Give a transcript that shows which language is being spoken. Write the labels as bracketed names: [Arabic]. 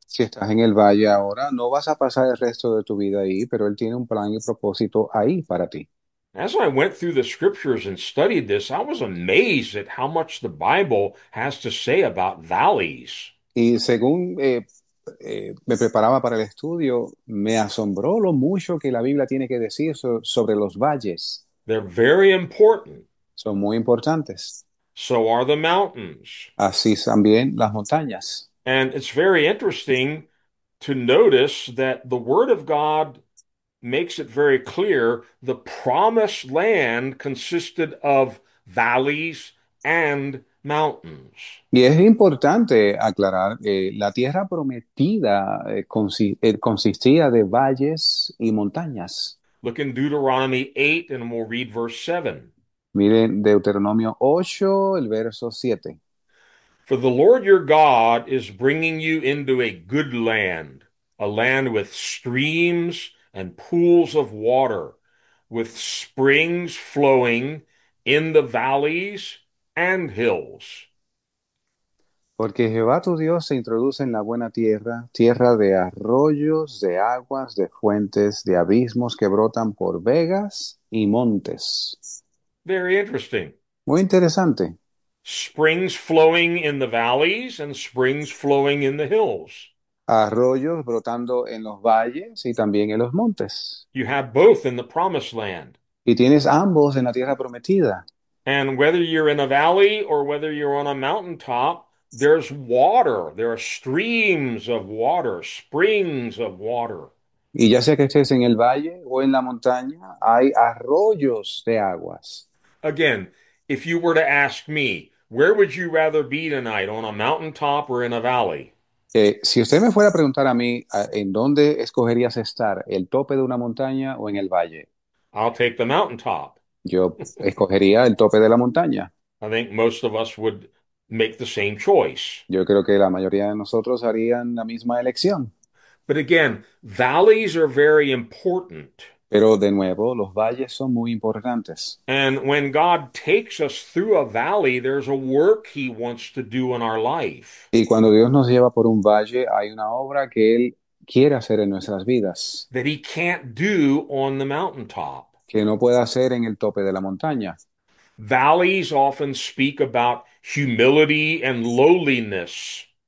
[Spanish] Si estás en el valle ahora, no vas a pasar el resto de tu vida ahí, pero él tiene un plan y propósito ahí para ti. [English] As I went through the scriptures and studied this, I was amazed at how much the Bible has to say about valleys. [Spanish] Y según me preparaba para el estudio, me asombró lo mucho que la Biblia tiene que decir sobre los valles. [English] They're very important. [Spanish] Son muy importantes. [English] So are the mountains. [Spanish] Así también las montañas. [English] And it's very interesting to notice that the Word of God makes it very clear the promised land consisted of valleys and mountains. [Spanish] Y es importante aclarar, la tierra prometida consistía de valles y montañas. [English] Look in Deuteronomy 8 and we'll read verse 7. [Spanish] Miren Deuteronomio 8, el verso 7. [English] For the Lord your God is bringing you into a good land, a land with streams and pools of water, with springs flowing in the valleys and hills. [Spanish] Porque Jehová tu Dios se introduce en la buena tierra, tierra de arroyos, de aguas, de fuentes, de abismos que brotan por vegas y montes. [English] Very interesting. [Spanish] Muy interesante. [English] Springs flowing in the valleys and springs flowing in the hills. [Spanish] Arroyos brotando en los valles y también en los montes. [English] You have both in the promised land. [Spanish] Y tienes ambos en la tierra prometida. [English] And whether you're in a valley or whether you're on a mountaintop, there's water. There are streams of water, springs of water. [Spanish] Y ya sea que estés en el valle o en la montaña, hay arroyos de aguas. [English] Again, if you were to ask me, where would you rather be tonight, on a mountaintop or in a valley? [Spanish] Si usted me fuera a preguntar a mí, ¿en dónde escogerías estar? ¿El tope de una montaña o en el valle? [English] I'll take the mountaintop. [Spanish] Yo [English] I [Spanish] escogería el tope de la montaña. [English] think most of us would make the same choice. [Spanish] Yo creo que la mayoría de nosotros harían la misma elección. [English] But again, valleys are very important. [Spanish] Pero de nuevo, los valles son muy importantes. [English] And when God takes us through a valley, there's a work he wants to do in our life. [Spanish] Y cuando Dios nos lleva por un valle, hay una obra que Él quiere hacer en nuestras vidas, [English] That he can't do on the mountaintop. [Spanish] que no puede hacer en el tope de la montaña. [English] Valleys often speak about humility and lowliness.